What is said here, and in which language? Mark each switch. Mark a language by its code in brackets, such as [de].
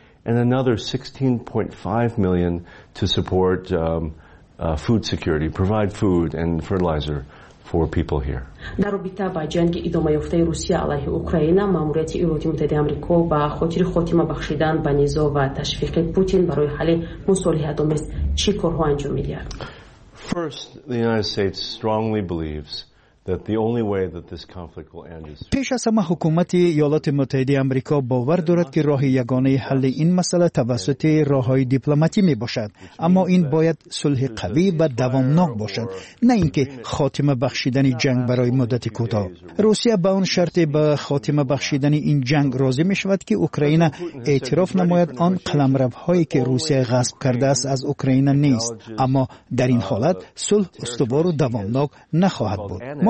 [en] And another 16.5 million to support food security, provide food and fertilizer for people here. [fa] در رابطه با جنگ ادامه یافته روسیه علیه اوکراین، ماموریت ایالات متحده آمریکا با خاطر خاتمه بخشیدن به نزاع و تشویق پوتین برای حل مصالحه دامس چی کارها انجام می‌دهد؟ [en] First, the United States strongly believes that the only way that this conflict will end is [fa] پیش از همه حکومت ایالات متحده آمریکا باور دارد که راه یگانه حل این مسئله توسط راه‌های دیپلماتیک میباشد، اما این باید صلح قوی و دوامناک باشد، نه اینکه خاتمه بخشیدن جنگ برای مدت کوتاه. روسیه به آن شرط به خاتمه بخشیدن این جنگ راضی میشود که اوکراین اعتراف نماید آن قلمروهایی که روسیه غصب کرده است از اوکراین نیست، اما در این حالت صلح استوار و دوامناک نخواهد بود.